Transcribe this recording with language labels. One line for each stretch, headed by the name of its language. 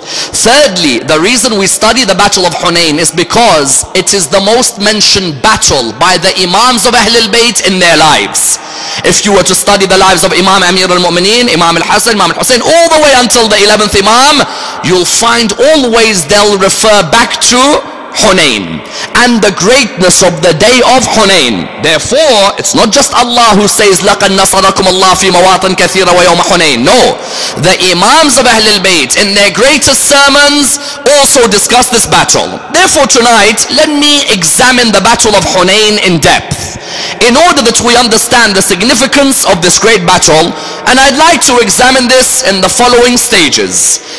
English: Thirdly, the reason we study the Battle of Hunayn is because it is the most mentioned battle by the Imams of Ahlul Bayt in their lives. If you were to study the lives of Imam Amir al-Mu'mineen, Imam al-Hassan, Imam al-Hussein, all the way until the 11th Imam, you'll find always they'll refer back to Hunayn and the greatness of the day of Hunayn. Therefore, it's not just Allah who says
Arabic: لَقَدْ نَصَرَكُمْ اللَّهُ فِي مَوَاطِنْ كَثِيرًا وَيَوْمَ حُنَيْنَ.
English: No, the Imams of Ahlul Bayt in their greatest sermons also discuss this battle. Therefore tonight, let me examine the battle of Hunayn in depth, in order that we understand the significance of this great battle. And I'd like to examine this in the following stages.